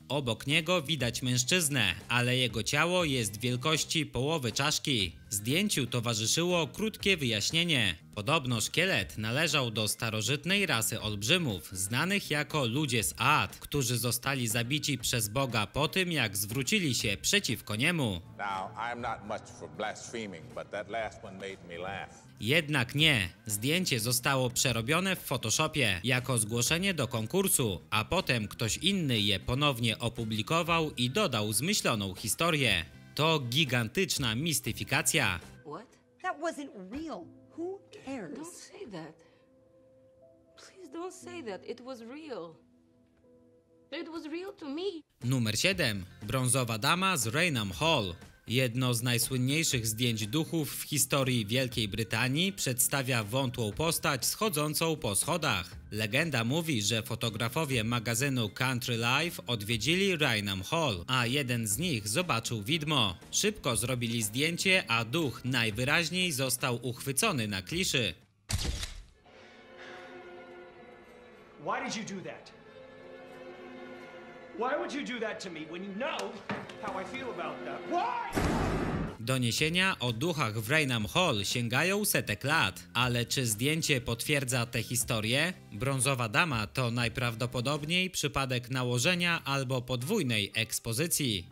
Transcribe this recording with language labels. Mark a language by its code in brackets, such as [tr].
[pl] Obok niego widać mężczyznę, ale jego ciało jest wielkości połowy czaszki. Zdjęciu towarzyszyło krótkie wyjaśnienie. Podobno szkielet należał do starożytnej rasy olbrzymów, znanych jako ludzie z Aad, którzy zostali zabici przez Boga po tym, jak zwrócili się przeciwko niemu. [en] Now, I'm not much for blaspheming, but that last one made me laugh. [pl] Jednak nie. Zdjęcie zostało przerobione w Photoshopie jako zgłoszenie do konkursu, a potem ktoś inny je ponownie opublikował i dodał zmyśloną historię. To gigantyczna mistyfikacja. [en] What? That wasn't real. Who cares? Don't say that. Please don't say that. It was real. It was real to me. [pl] Numer 7. Brązowa dama z Raynham Hall. Jedno z najsłynniejszych zdjęć duchów w historii Wielkiej Brytanii przedstawia wątłą postać schodzącą po schodach. Legenda mówi, że fotografowie magazynu Country Life odwiedzili Raynham Hall, a jeden z nich zobaczył widmo. Szybko zrobili zdjęcie, a duch najwyraźniej został uchwycony na kliszy. [en] Why did you do that? Why would you do that to me when you know how I feel about that? Why? [pl] Doniesienia o duchach w Raynham Hall sięgają setek lat, ale czy zdjęcie potwierdza tę historię? Brązowa dama to najprawdopodobniej przypadek nałożenia albo podwójnej ekspozycji.